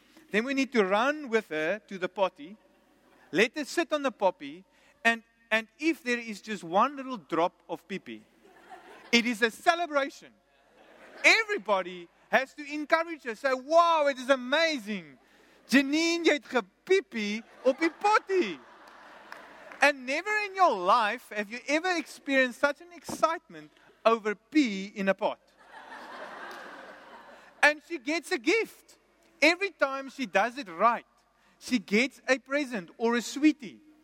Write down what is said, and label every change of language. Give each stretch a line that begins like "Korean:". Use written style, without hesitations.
English: Then we need to run with her to the potty, let her sit on the poppy, and if there is just one little drop of pipi, it is a celebration. Everybody has to encourage her, say, "Wow, it is amazing.
Afrikaans: Janine, jy het gepipi op die potty."
English: And never in your life have you ever experienced such an excitement over pee in a pot. And she gets a gift. Every time she does it right, she gets a present or a sweetie.